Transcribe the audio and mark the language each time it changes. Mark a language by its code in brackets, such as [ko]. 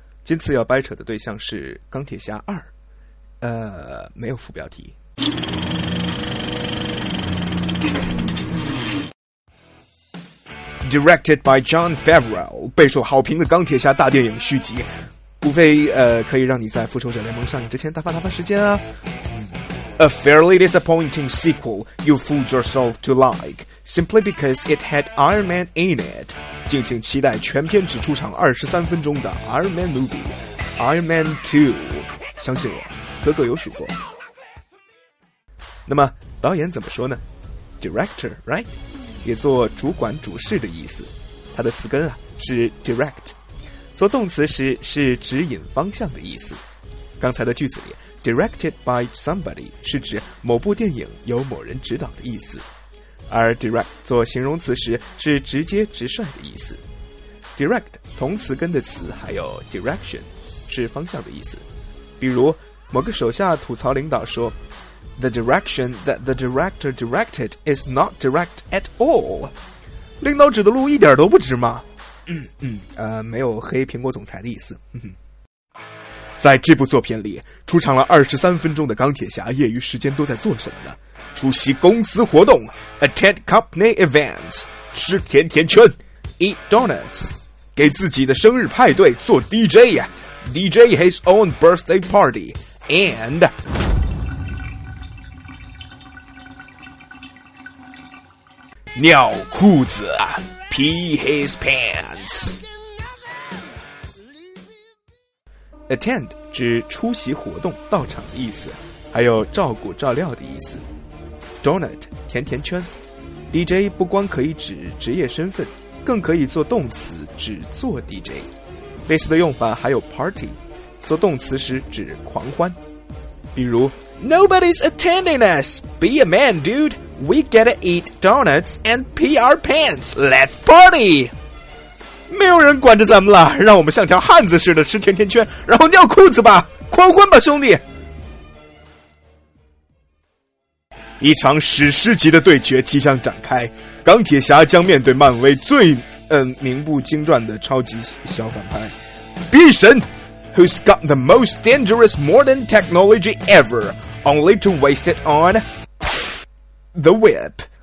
[zh] 今次要掰扯的对象是钢铁侠二，没有副标题。 [en] Directed by John Favreau， [zh] 备受好评的钢铁侠大电影续集，无非可以让你在复仇者联盟上映之前打发打发时间啊。 [en] A fairly disappointing sequel you fooled yourself to like, simply because it had Iron Man in it. [zh] 敬请期待全片只出场23分钟的 Iron Man movie, Iron Man 2. 相信我，哥哥有嘱咐。那么，导演怎么说呢？ [en] Director, right? [zh] 也做主管主事的意思。它的词根啊，是 direct。做动词时是指引方向的意思。刚才的句子里 [en] Directed by somebody [zh] 是指某部电影由某人指导的意思，而 direct 做形容词时是直接直率的意思。 Direct 同词根的词还有 direction 是方向的意思，比如某个手下吐槽领导说 [en] The direction that the director directed is not direct at all， [zh] 领导指的路一点都不直吗？没有黑苹果总裁的意思。在这部作品里，出场了23分钟的钢铁侠业余时间都在做什么呢？出席公司活动 ， [en] attend company events， [zh] 吃甜甜圈 ， [en] eat donuts， [zh] 给自己的生日派对做 DJ [en] his own birthday party， [zh] and 尿裤子 ， [en] pee his pants。 [zh] Attend 指出席活动到场的意思，还有照顾照料的意思。 Donut 甜甜圈。 DJ 不光可以指职业身份，更可以做动词指做 DJ。类似的用法还有 party， 做动词时指狂欢，比如 [en] Nobody's attending us, be a man dude, we gotta eat donuts and pee our pants, let's party。 [zh] 没有人管着咱们了，让我们像条汉子似的吃甜甜圈，然后尿裤子吧，狂欢吧兄弟。一场史诗级的对决即将展开，钢铁侠将面对漫威最名不经传的超级小反派壁神， [en] Who's got the most dangerous modern technology ever only to waste it on the whip，